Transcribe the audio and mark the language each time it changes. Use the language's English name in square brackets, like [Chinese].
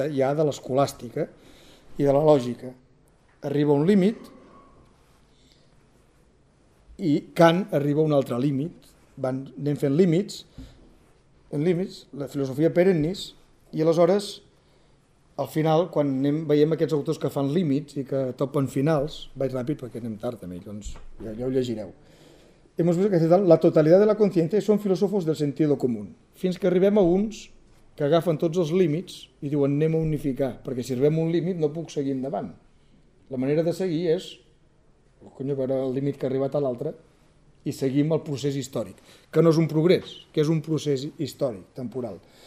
[Catalan] Ja de l'escolàstica i de la lògica. Arriba un límit i Kant arriba a un altre límit. Anem fent límits, en límits, la filosofia perennis, i aleshores, al final, quan anem, veiem aquests autors que fan límits i que topen finals, vaig ràpid perquè anem tard també, doncs ja ho llegireu. [Spanish] Hemos visto que la totalidad de la conciencia son filósofos del sentido común. [Catalan] Fins que arribem a uns que agafen tots els límits i diuen anem a unificar, perquè si arribem a un límit no puc seguir endavant. La manera de seguir és, conyo, veure el límit que ha arribat a l'altre i seguim el procés històric, que no és un progrés, que és un procés històric, temporal.